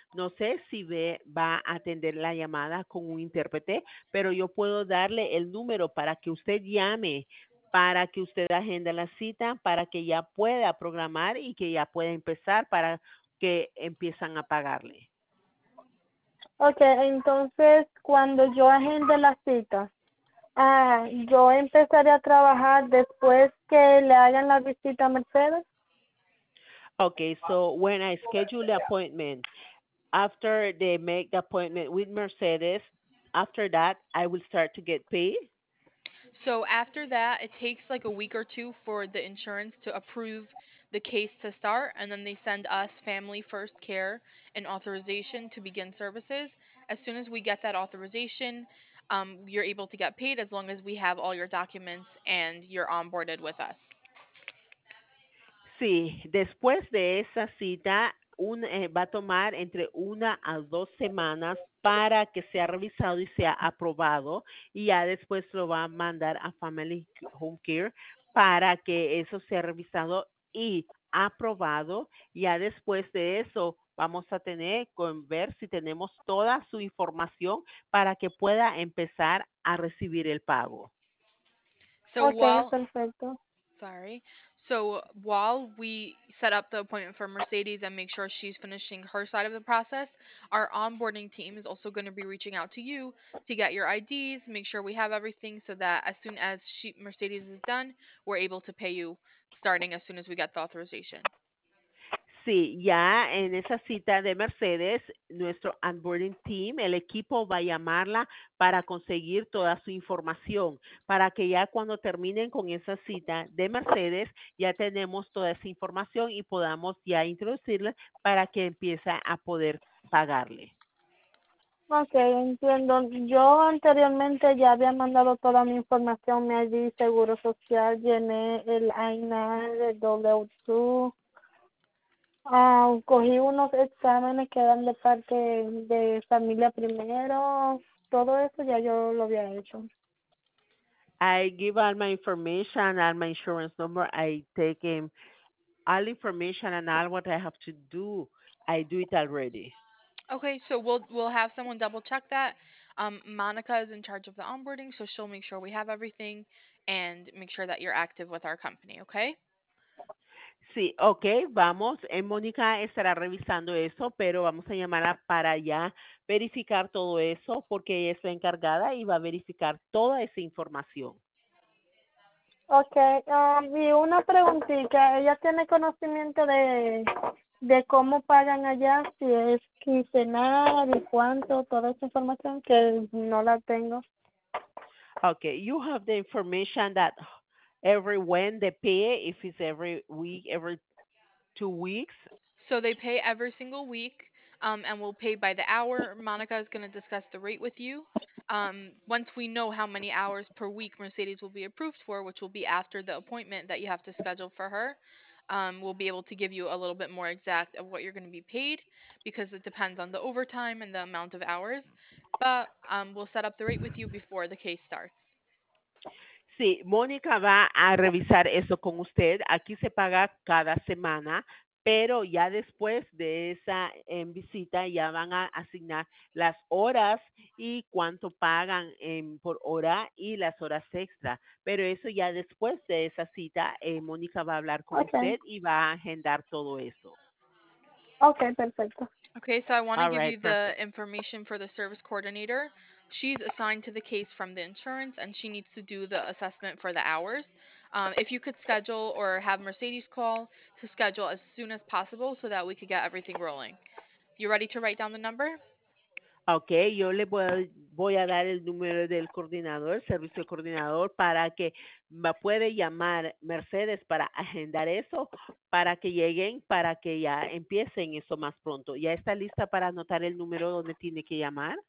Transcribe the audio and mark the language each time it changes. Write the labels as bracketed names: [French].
[Spanish] No sé si va a atender la llamada con un intérprete, pero yo puedo darle el número para que usted llame, para que usted agenda la cita, para que ya pueda programar y que ya pueda empezar para que empiezan a pagarle. Okay, entonces cuando yo agende la cita, ¿yo empezaré a trabajar después que le hagan la visita a Mercedes? [English] Okay, so when I schedule the appointment, after they make the appointment with Mercedes, after that, I will start to get paid. So after that, it takes like a week or two for the insurance to approve the case to start, and then they send us Family First Care an authorization to begin services. As soon as we get that authorization, you're able to get paid as long as we have all your documents and you're onboarded with us. [Spanish] Sí, después de esa cita, va a tomar entre 1 a 2 semanas para que sea revisado y sea aprobado y ya después lo va a mandar a Family Home Care para que eso sea revisado y aprobado. Ya después de eso vamos a tener con ver si tenemos toda su información para que pueda empezar a recibir el pago. [English] So while we set up the appointment for Mercedes and make sure she's finishing her side of the process, our onboarding team is also going to be reaching out to you to get your IDs, make sure we have everything so that as soon as Mercedes is done, we're able to pay you starting as soon as we get the authorization. [Spanish] Sí, ya en esa cita de Mercedes, nuestro [English] onboarding team, [Spanish] el equipo va a llamarla para conseguir toda su información, para que ya cuando terminen con esa cita de Mercedes, ya tenemos toda esa información y podamos ya introducirla para que empiece a poder pagarle. Ok, entiendo. Yo anteriormente ya había mandado toda mi información, mi ID, seguro social, llené el INA, el W2. Cogí unos exámenes que eran de parte de familia primero, todo eso ya yo lo había hecho. [English] I give all my information and my insurance number. I take all information and all what I have to do. I do it already. Okay, so we'll have someone double check that. Monica is in charge of the onboarding, so she'll make sure we have everything and make sure that you're active with our company, okay? [Spanish] Sí, okay, vamos. Mónica estará revisando eso, pero vamos a llamarla para ya verificar todo eso porque ella es la encargada y va a verificar toda esa información. Okay, y una preguntita. ¿Ella tiene conocimiento de cómo pagan allá, si es quincenal y cuánto, toda esa información que no la tengo? [English] Okay, you have the information that every when they pay, if it's every week, every 2 weeks. So they pay every single week, and we'll pay by the hour. Monica is going to discuss the rate with you. Once we know how many hours per week Mercedes will be approved for, which will be after the appointment that you have to schedule for her, we'll be able to give you a little bit more exact of what you're going to be paid, because it depends on the overtime and the amount of hours. But we'll set up the rate with you before the case starts. [Spanish] Sí, Mónica va a revisar eso con usted. Aquí se paga cada semana, pero ya después de esa visita ya van a asignar las horas y cuánto pagan por hora y las horas extra. Pero eso ya después de esa cita, Mónica va a hablar con usted y va a agendar todo eso. Okay, perfecto. [English] Okay, so I want to give you the information for the service coordinator. She's assigned to the case from the insurance, and she needs to do the assessment for the hours. If you could schedule or have Mercedes call to schedule as soon as possible so that we could get everything rolling. You ready to write down the number? [Spanish] Okay, yo le voy a dar el número del coordinador, servicio coordinador, para que me puede llamar Mercedes para agendar eso, para que lleguen, para que ya empiecen eso más pronto. ¿Ya está lista para anotar el número donde tiene que llamar?